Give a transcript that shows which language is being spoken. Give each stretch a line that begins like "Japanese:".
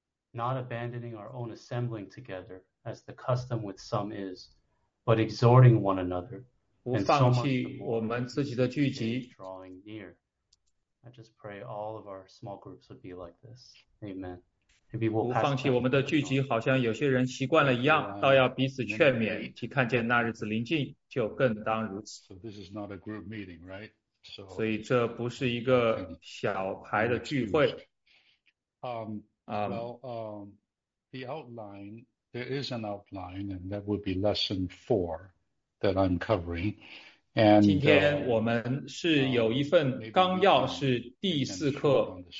English: Not abandoning our own assembling together, as the custom with some is, but exhorting one another, and so much the more as each day is drawing near. I just pray all of our small groups would be like this. Amen. Maybe we'll pass.
Chinese: 不放弃我们的聚集，好像有些人习惯了一样，倒要彼此劝勉，即看见那日子临近，就更当如此。
English: So this is not a group meeting, right? So.
Chinese: 所以这不是一个小牌的聚会。
English: The outline, there is an outline, and that would be lesson four that I'm covering. And,
Chinese: 今天我们是有一份纲要，是第四课。